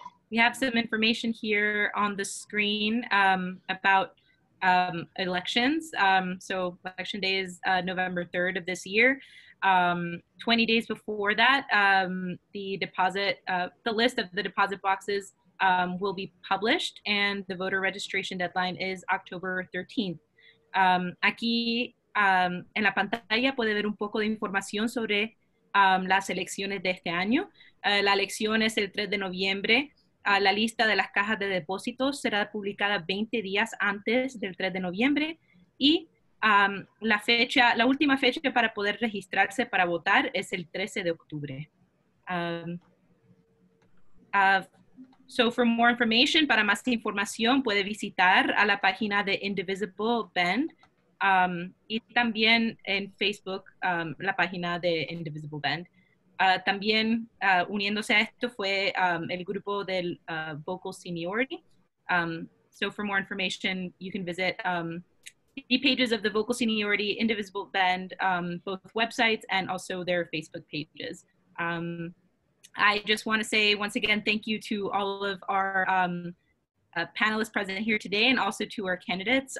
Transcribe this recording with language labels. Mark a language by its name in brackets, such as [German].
[English] We have some information here on the screen about elections. So Election Day is November 3rd of this year. 20 days before that, the list of the deposit boxes will be published, and the voter registration deadline is October 13th. [Spanish] Aquí en la pantalla puede ver un poco de información sobre las elecciones de este año. La elección es el 3 de noviembre. La lista de las cajas de depósitos será publicada 20 días antes del 3 de noviembre. Y la última fecha para poder registrarse para votar es el 13 de octubre. [English] So for more information, [Spanish] para más información, puede visitar a la página de Indivisible Bend. Y también en Facebook, la página de Indivisible Bend. También uniéndose a esto fue el grupo del Vocal Seniority. [English] So for more information, you can visit the pages of the Vocal Seniority, Indivisible Bend, both websites and also their Facebook pages. I just want to say once again, thank you to all of our panelists present here today and also to our candidates.